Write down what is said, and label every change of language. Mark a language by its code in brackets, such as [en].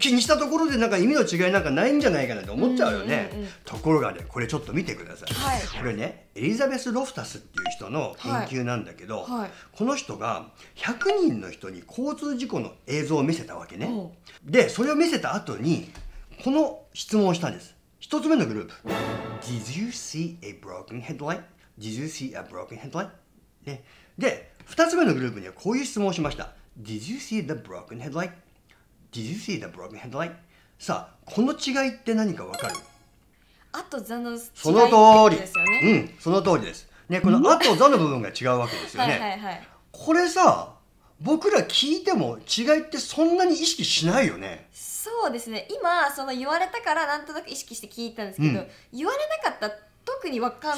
[ja] 気にしたところでなんか意味の違いなんかないんじゃないかなって思っちゃうよね。うんうんうん、ところがね、これちょっと見てください。はい、これね、エリザベス・ロフタスっていう人の研究なんだけど、はいはい、この人が100人の人に交通事故の映像を見せたわけね。で、それを見せた後に、この質問をしたんです。一つ目のグループ。 [en] Did you see a broken headlight? Did you see a broken headlight? [ja] ね、で、2つ目のグループにはこういう質問をしました。 [en] Did you see the broken headlight? Did you see the broken headlight? [ja] さあ、この違いって何かわかる？あとザの違いってことですよね。うん、その通りです、ね、このあとザの部分が違うわけですよね。はいはいはい、これさ、僕ら聞いても違いってそんなに意識しないよね。そうですね、今その言われたからなんとなく意識して聞いたんですけど、うん、言われなかった特にわかんない。